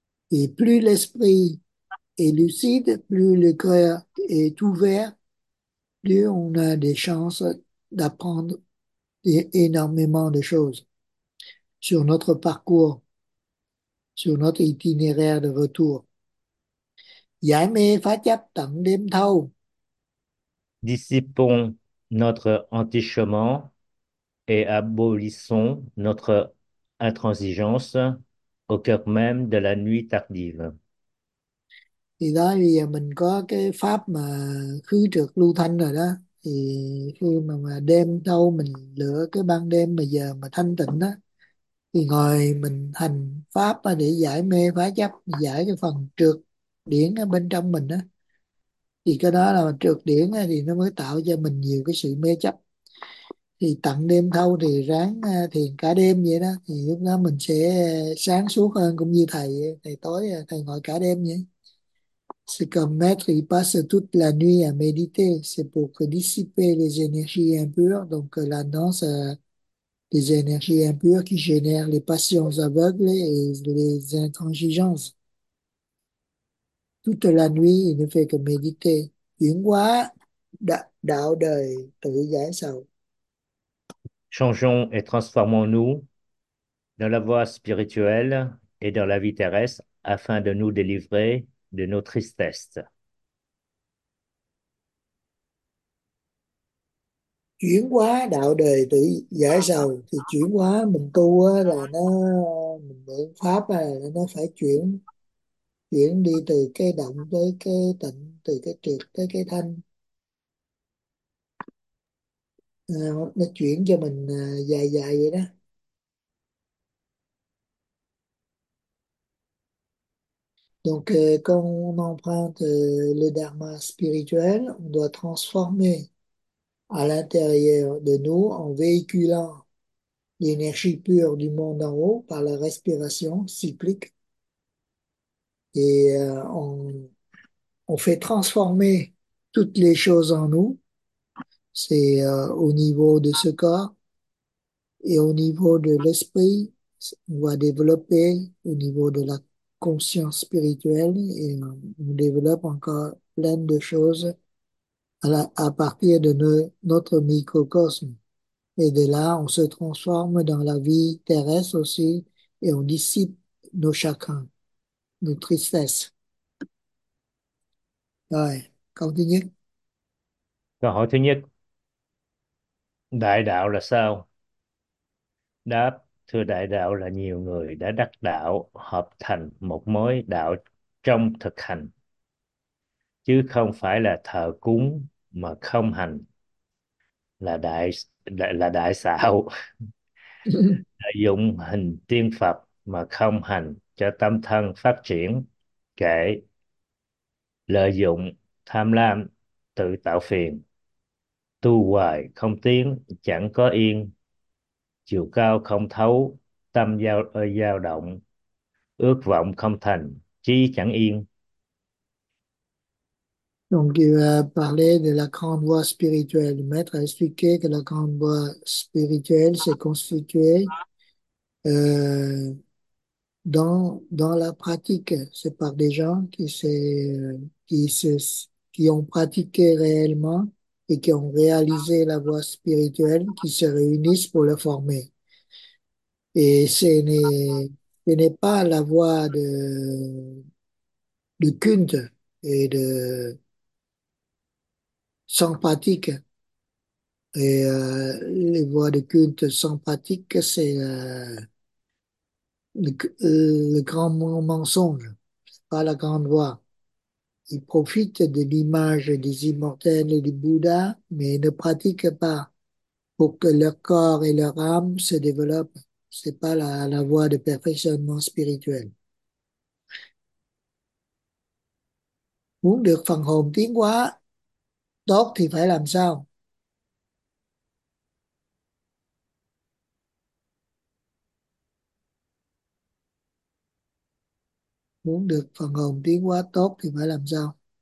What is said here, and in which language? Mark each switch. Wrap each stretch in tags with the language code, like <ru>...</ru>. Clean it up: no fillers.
<fr>Et plus l'esprit est lucide, plus le cœur est ouvert, plus on a des chances d'apprendre énormément de choses sur notre parcours, sur notre itinéraire de retour.</fr> <vi>Giải mê phá chấp tận đêm thâu.</vi> <fr>Dissipons notre anti-chemin et abolissons notre intransigeance au cœur même de la nuit tardive.</fr> <vi>Thì đó thì mình có cái pháp mà khứ trược lưu thanh rồi đó, thì khi mà đêm thâu mình lửa cái ban đêm mà giờ mà thanh tịnh đó, thì ngồi mình hành pháp để giải mê phá chấp, giải cái phần trược điển ở bên trong mình đó, thì cái đó là trược điển thì nó mới tạo cho mình nhiều cái sự mê chấp. Thì tận đêm thâu thì ráng thiền cả đêm vậy đó, thì lúc đó mình sẽ sáng suốt hơn, cũng như thầy tối thầy ngồi cả đêm vậy.</vi> <fr>C'est comme maître, il passe toute la nuit à méditer. C'est pour dissiper les énergies impures, donc la danse des énergies impures qui génèrent les passions aveugles et les intransigeances. Toute la nuit, il ne fait que méditer.</fr> <vi>Chuyển hóa đạo đời tự giải sầu.</vi> <fr>Changeons et transformons-nous dans la voie spirituelle et dans la vie terrestre afin de nous délivrer de nos tristesses.</fr> <vi>chuyển hóa đạo đời tự giải sầu, thì chuyển hóa mình tu là nó mình pháp là nó phải chuyển chuyển đi từ cái động tới cái tịnh, từ cái trượt tới cái thanh, nó chuyển cho mình dài dài vậy đó.</vi> <fr>Donc, quand on emprunte le dharma spirituel, on doit transformer à l'intérieur de nous en véhiculant l'énergie pure du monde en haut par la respiration cyclique. Et on fait transformer toutes les choses en nous. C'est au niveau de ce corps et au niveau de l'esprit, on va développer au niveau de la conscience spirituelle et on développe encore plein de choses à partir de notre microcosme. Et de là, on se transforme dans la vie terrestre aussi et on dissipe nos chagrins, nos tristesses. Ouais, continue.</fr> <vi>Câu hỏi thứ nhất, đại đạo là sao? Đáp, thưa đại đạo là nhiều người đã đắc đạo hợp thành một mối đạo trong thực hành, chứ không phải là thờ cúng mà không hành là đại xạo. Dụng hình tiên Phật mà không hành cho tâm thân phát triển, kệ lợi dụng tham lam tự tạo phiền, tu hoài không tiến chẳng có yên, chiều cao không thấu tâm dao động, ước vọng không thành chí chẳng yên.</vi> <fr>Donc, il va parler de la grande voie spirituelle. Le maître a expliqué que la grande voie spirituelle s'est constituée dans la pratique. C'est par des gens qui ont pratiqué réellement et qui ont réalisé la voie spirituelle qui se réunissent pour la former. Et ce n'est pas la voie de culte et de sans pratique. Et les voies de culte sans pratique, c'est le grand mensonge, pas la grande voie. Ils profitent de l'image des immortels et du Bouddha, mais ils ne pratiquent pas pour que leur corps et leur âme se développent. C'est pas la voie de perfectionnement spirituel.</fr> <vi>Muốn được phần hồn tiến hóa tốt thì phải làm sao? Muốn được phần hồn tiến hóa tốt thì phải làm sao?</vi>